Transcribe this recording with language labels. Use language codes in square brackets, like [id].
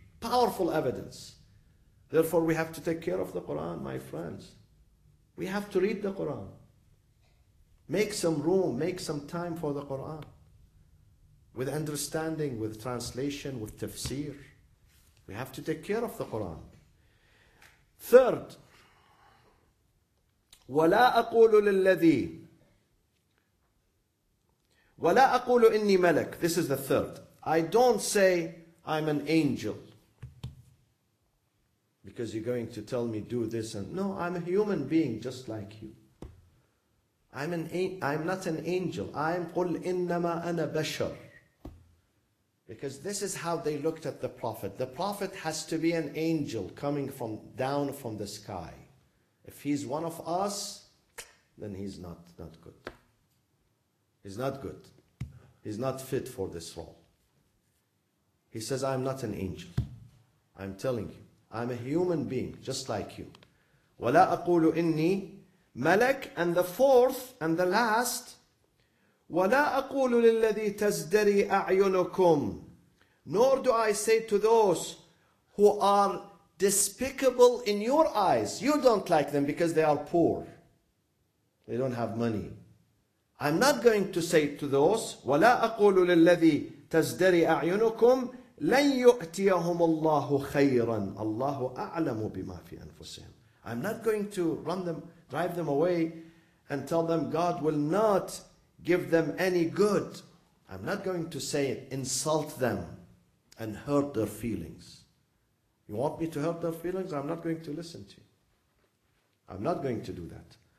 [en] Powerful evidence. Therefore, we have to take care of the Quran, my friends. We have to read the Quran. Make some room, make some time for the Quran. With understanding, with translation, with tafsir. We have to take care of the Quran. Third, [ar] وَلَا أَقُولُ لِلَّذِي وَلَا أَقُولُ إِنِّي مَلَكٌ. [en] This is the third. I don't say I'm an angel because you're going to tell me do this. And no, I'm a human being just like you. I'm not an angel. I'm [ar] قُلْ إِنَّمَا أَنَا بَشَرٌ. [en] Because this is how they looked at the Prophet. The Prophet has to be an angel coming from down from the sky. If he's one of us, then he's not good. He's not good. He's not fit for this role. He says, I'm not an angel. I'm telling you, I'm a human being just like you. [ar] وَلَا أَقُولُ إِنِّي مَلَكٌ. [en] And the fourth and the last, [ar] وَلَا أَقُولُ لِلَّذِي تَزْدَرِي أَعْيُنُكُمْ. [en] Nor do I say to those who are despicable in your eyes. You don't like them because they are poor. They don't have money. I'm not going to say to those, [ar] وَلَا أَقُولُ لِلَّذِي تَزْدَرِي أَعْيُنُكُمْ لَنْ يُؤْتِيَهُمُ اللَّهُ خَيْرًا اللَّهُ أَعْلَمُ بِمَا فِي أَنفُسِهِمْ. [en] I'm not going to drive them away and tell them God will not give them any good. I'm not going to say it, insult them and hurt their feelings. You want me to hurt their feelings? I'm not going to listen to you. I'm not going to do that.